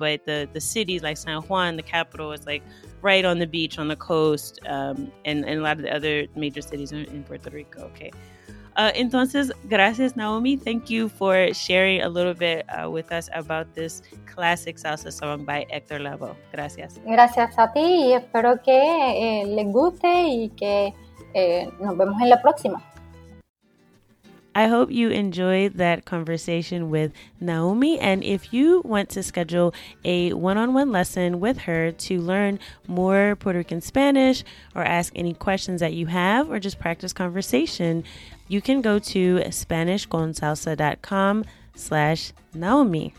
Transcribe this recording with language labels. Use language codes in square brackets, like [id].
[en] But the cities like San Juan, the capital, is like right on the beach, on the coast, and a lot of the other major cities in Puerto Rico. Okay. [es] Entonces, gracias, [en] Naomi. Thank you for sharing a little bit with us about this classic salsa song by Héctor Lavoe. [es] Gracias. Gracias a ti y espero que les guste y que nos vemos en la próxima. [en] I hope you enjoyed that conversation with Naomi. And if you want to schedule a one-on-one lesson with her to learn more Puerto Rican Spanish or ask any questions that you have or just practice conversation, you can go to SpanishConSalsa.com/Naomi.